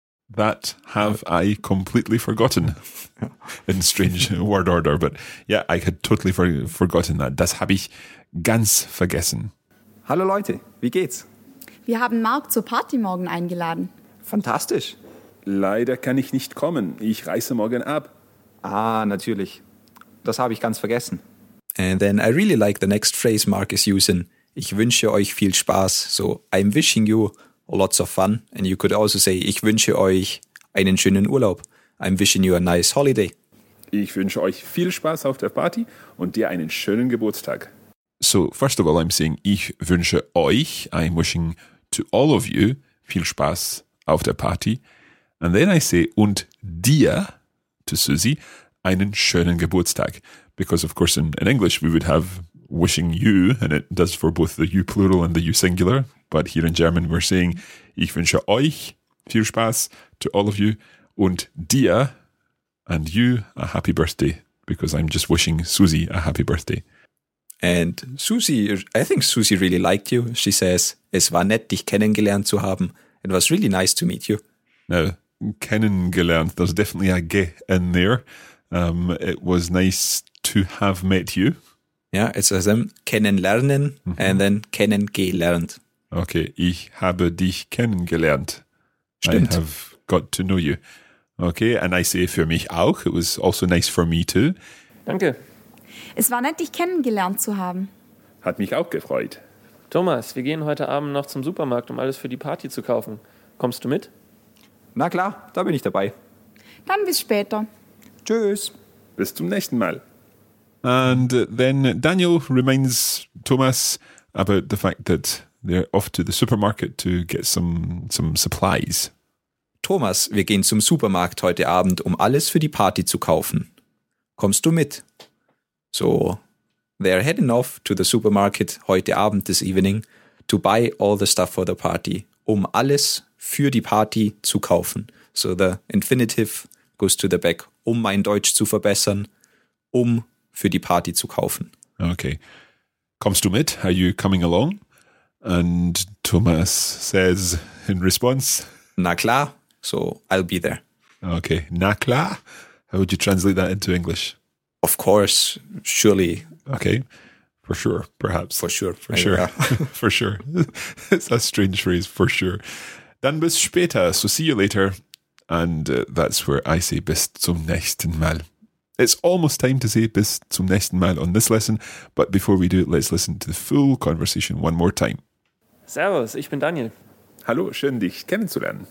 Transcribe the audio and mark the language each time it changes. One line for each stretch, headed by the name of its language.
English: That have I completely forgotten. In strange word order, but yeah, I had totally forgotten that.
German: Das habe ich ganz vergessen. Hallo Leute, wie geht's? Wir haben Mark zur Party morgen eingeladen. Fantastisch. Leider kann ich nicht kommen. Ich reise morgen ab. Ah, natürlich. Das habe ich ganz vergessen.
English: And then I really like the next phrase Mark is using.
German: Ich wünsche euch viel Spaß.
English: So, I'm wishing you lots of fun. And you could also say,
German: ich wünsche euch einen schönen Urlaub.
English: I'm wishing you a nice holiday.
German: Ich wünsche euch viel Spaß auf der Party und dir einen schönen Geburtstag.
English: So, first of all, I'm saying,
German: ich wünsche euch,
English: I'm wishing to all of you,
German: viel Spaß auf der Party.
English: And then I say,
German: und dir,
English: to Susie,
German: einen schönen Geburtstag.
English: Because, of course, in English, we would have wishing you, and it does for both the you plural and the you singular. But here in German, we're saying,
German: ich wünsche euch viel Spaß
English: to all of you
German: und dir
English: and you a happy birthday, because I'm just wishing Susie a happy birthday. And Susie, I think Susie really liked you. She says,
German: es war nett, dich kennengelernt zu haben.
English: It was really nice to meet you. Now, kennengelernt, there's definitely a ge in there. It was nice to have met you. Yeah, it's as in kennenlernen and then kennengelernt.
German: Okay, ich habe dich kennengelernt. Stimmt.
English: I have got to know you. Okay, and I say
German: für mich auch.
English: It was also nice for me too.
German: Danke. Es war nett, dich kennengelernt zu haben. Hat mich auch gefreut. Thomas, wir gehen heute Abend noch zum Supermarkt, um alles für die Party zu kaufen. Kommst du mit? Na klar, da bin ich dabei. Dann bis später. Tschüss. Bis zum nächsten Mal.
English: And then Daniel reminds Thomas about the fact that they're off to the supermarket to get some supplies.
German: Thomas, wir gehen zum Supermarkt heute Abend, um alles für die Party zu kaufen. Kommst du mit?
English: So, they're heading off to the supermarket
German: heute Abend,
English: this evening, to buy all the stuff for the party,
German: um alles für die Party zu kaufen.
English: So the infinitive goes to the back,
German: um mein Deutsch zu verbessern, um für die Party zu kaufen.
English: Okay.
German: Kommst du mit?
English: Are you coming along? And Thomas says in response,
German: na klar,
English: so I'll be there.
German: Okay, na klar.
English: How would you translate that into English? Of course, surely. Okay, for sure, perhaps. For sure, for sure. For sure. It's a strange phrase, for sure.
German: Dann bis später,
English: so see you later. And that's where I say
German: bis zum nächsten Mal.
English: It's almost time to say
German: bis zum nächsten Mal
English: on this lesson, but before we do, let's listen to the full conversation one more time.
German: Servus, ich bin Daniel. Hallo, schön dich kennenzulernen.